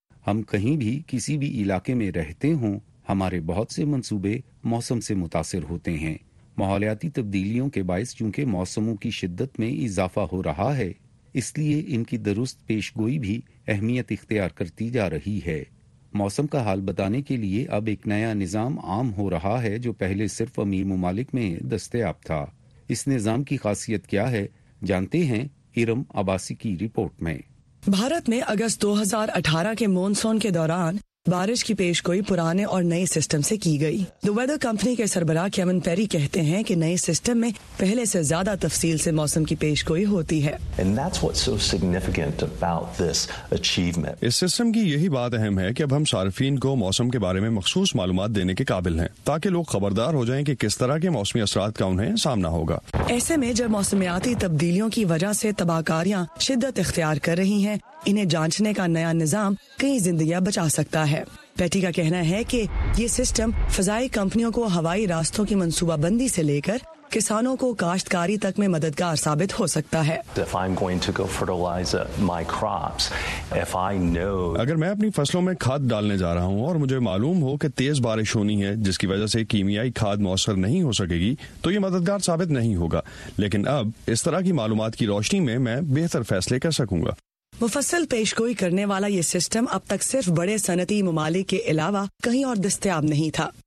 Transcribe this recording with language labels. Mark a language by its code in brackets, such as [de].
[ur] ہم کہیں بھی کسی بھی علاقے میں رہتے ہوں، ہمارے بہت سے منصوبے موسم سے متاثر ہوتے ہیں۔ ماحولیاتی تبدیلیوں کے باعث چونکہ موسموں کی شدت میں اضافہ ہو رہا ہے، اس لیے ان کی درست پیش گوئی بھی اہمیت اختیار کرتی جا رہی ہے۔ موسم کا حال بتانے کے لیے اب ایک نیا نظام عام ہو رہا ہے جو پہلے صرف امیر ممالک میں دستیاب تھا۔ اس نظام کی خاصیت کیا ہے، جانتے ہیں ارم عباسی کی رپورٹ میں۔ بھارت میں اگست 2018 کے مونسون کے دوران بارش کی پیش گوئی پرانے اور نئے سسٹم سے کی گئی۔ دی ویدر کمپنی کے سربراہ کیون پیری کہتے ہیں کہ نئے سسٹم میں پہلے سے زیادہ تفصیل سے موسم کی پیش گوئی ہوتی ہے۔ [en] And that's what's so significant about this achievement. [ur] اس system کی یہی بات اہم ہے کہ اب ہم صارفین کو موسم کے بارے میں مخصوص معلومات دینے کے قابل ہیں، تاکہ لوگ خبردار ہو جائیں کہ کس طرح کے موسمی اثرات کا انہیں سامنا ہوگا۔ ایسے میں جب موسمیاتی تبدیلیوں کی وجہ سے تباہ کاریاں شدت اختیار کر رہی ہیں، انہیں جانچنے کا نیا نظام کئی زندگیاں بچا سکتا ہے۔ پیٹی کا کہنا ہے کہ یہ سسٹم فضائی کمپنیوں کو ہوائی راستوں کی منصوبہ بندی سے لے کر کسانوں کو کاشتکاری تک میں مددگار ثابت ہو سکتا ہے۔ [en] If I'm going to go fertilize my crops, if I know... [ur] اگر میں اپنی فصلوں میں کھاد ڈالنے جا رہا ہوں اور مجھے معلوم ہو کہ تیز بارش ہونی ہے جس کی وجہ سے کیمیائی کھاد موثر نہیں ہو سکے گی، تو یہ مددگار ثابت نہیں ہوگا، لیکن اب اس طرح کی معلومات کی روشنی میں بہتر فیصلے کر سکوں گا۔ مفصل پیش گوئی کرنے والا یہ سسٹم اب تک صرف بڑے صنعتی ممالک کے علاوہ کہیں اور دستیاب نہیں تھا.